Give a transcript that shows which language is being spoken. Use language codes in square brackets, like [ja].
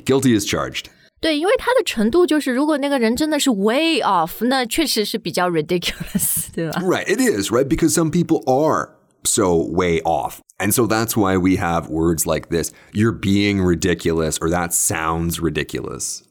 [en] Guilty is charged. [zh] 对，因为他的程度就是如果那个人真的是 way off, 那确实是比较 ridiculous, 对吧 [en] Right, it is, right? Because some people are. So way off. And so that's why we have words like this. You're being ridiculous, or that sounds ridiculous.